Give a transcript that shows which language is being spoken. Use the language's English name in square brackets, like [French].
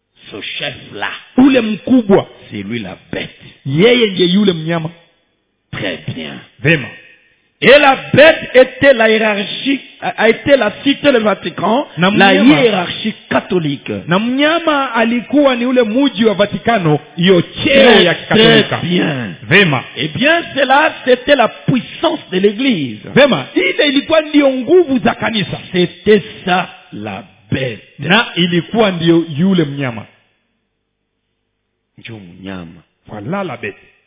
[French] Ce chef là, [Swahili] ule mkubwa, [French] c'est lui la bête. [Swahili] Yeye ndiye yule mnyama. [French] Très bien. [Swahili] Vema. [French] Et la bête était la hiérarchie, a été la cité du Vatican, [Swahili] mnyama, [French] la hiérarchie catholique. [Swahili] Na mnyama alikuwa ni ule muji wa Vatikano, hiyo cheo ya kikatolika. [French] Très bien. [Swahili] Vema. [French] Et bien cela, c'était la puissance de l'église. [Swahili] Vema. Ile ilikuwa ndio nguvu za kanisa. [French] C'était ça la bête. [Swahili] Na ilikuwa ndio yule mnyama. Ndio mnyama. [French] Voilà la bête.